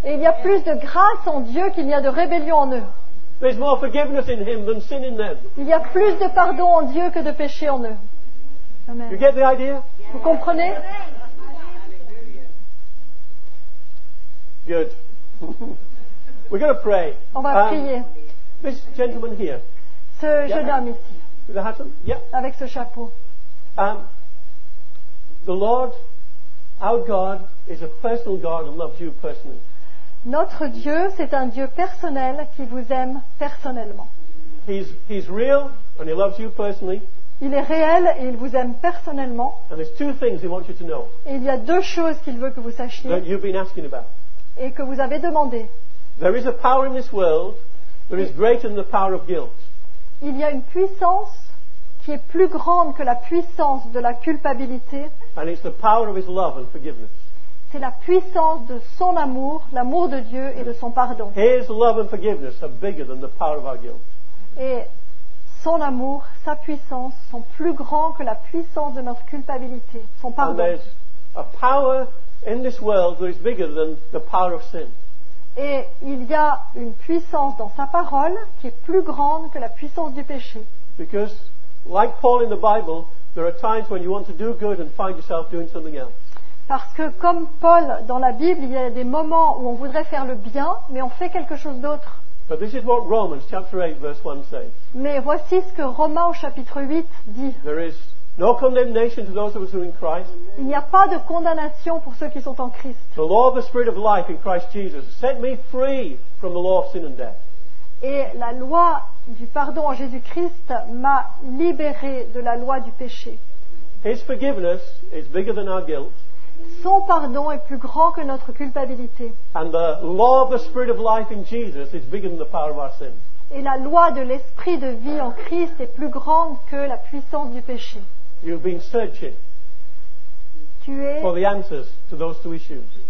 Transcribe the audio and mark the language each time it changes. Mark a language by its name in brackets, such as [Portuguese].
[French] Et il y a plus de grâce en Dieu qu'il n'y a de rébellion en eux. [English] There's more forgiveness in him than sin in them. [French] Il y a plus de pardon en Dieu que de péché en eux. Amen. [English] You get the idea? [French] Vous comprenez? [English] Good. We're going to pray. [French] On va prier. [English] This gentleman here. [French] Ce jeune homme ici. [English] With the hat on? Yeah. [French] Avec ce chapeau. [English] The Lord, our God, is a personal God and loves you personally. [French] Notre Dieu, c'est un Dieu personnel qui vous aime personnellement. [English] He's real and he loves you personally. [French] Il est réel et il vous aime personnellement. [English] And there's two things he wants you to know. [French] Et il y a deux choses qu'il veut que vous sachiez. [English] That you've been asking about. [French] Et que vous avez demandé. [English] There is a power in this world that is greater than the power of guilt. [French] Il y a une puissance qui est plus grande que la puissance de la culpabilité. [English] And it's the power of his love and forgiveness. [French] C'est la puissance de son amour, l'amour de Dieu et de son pardon. [English] His love and forgiveness are bigger than the power of our guilt. [French] Et son amour, sa puissance sont plus grands que la puissance de notre culpabilité, son pardon. [English] And there's a power in this world that is bigger than the power of sin. [French] Et il y a une puissance dans sa parole qui est plus grande que la puissance du péché. [English] Because, like Paul in the Bible, there are times when you want to do good and find yourself doing something else. [French] Parce que comme Paul dans la Bible, il y a des moments où on voudrait faire le bien, mais on fait quelque chose d'autre. [English] But this is what Romans, chapter 8, verse 1 says. [French] Mais voici ce que Romains au chapitre 8 dit. [English] There is no condemnation to those of us who are in Christ. [French] Il n'y a pas de condamnation pour ceux qui sont en Christ. [English] The law of the Spirit of life in Christ Jesus set me free from the law of sin and death. [French] Et la loi du pardon en Jésus-Christ m'a libéré de la loi du péché. [English] His forgiveness is bigger than our guilt. [French] Son pardon est plus grand que notre culpabilité. [English] And the law of the Spirit of life in Jesus is bigger than the power of our sin. [French] Et la loi de l'esprit de vie en Christ est plus grande que la puissance du péché. [English] You've been searching for the answers to those two issues.